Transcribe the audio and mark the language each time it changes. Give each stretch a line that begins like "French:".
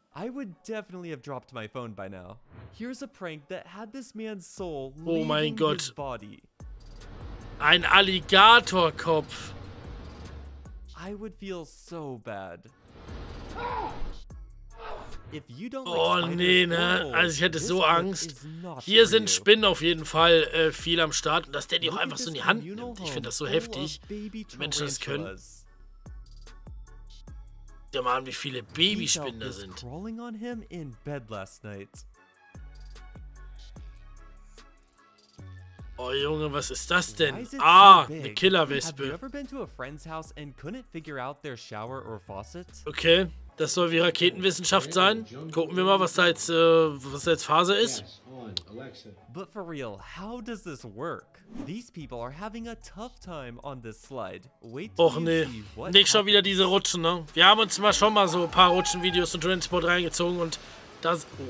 English: I would definitely have dropped my phone by now. Here's a prank that had this man's soul leaving.
German: Oh mein Gott. His body. Ein Alligatorkopf.
English: I would feel so bad. If you don't like spiders, oh nee, ne?
German: Also ich hätte so Angst. Hier sind Spinnen auf jeden Fall viel am Start. Und dass der die auch einfach so in die Hand nimmt. Ich finde das so heftig. Menschen das können. Der Mann, wie viele Babyspinnen da sind. On him in bed last night. Oh Junge, was ist das denn? Ah, so eine Killerwespe.
English: Have you ever been to a friend's house and couldn't figure out their shower or faucet?
German: Okay, das soll wie Raketenwissenschaft sein. Gucken wir mal, was da jetzt Phase ist.
English: But for real, how does this work? These people are having a tough time on this slide.
German: Wait, och nee, nicht schon wieder diese Rutschen, ne? Wir haben uns mal schon mal so ein paar Rutschenvideos und Transport reingezogen und das...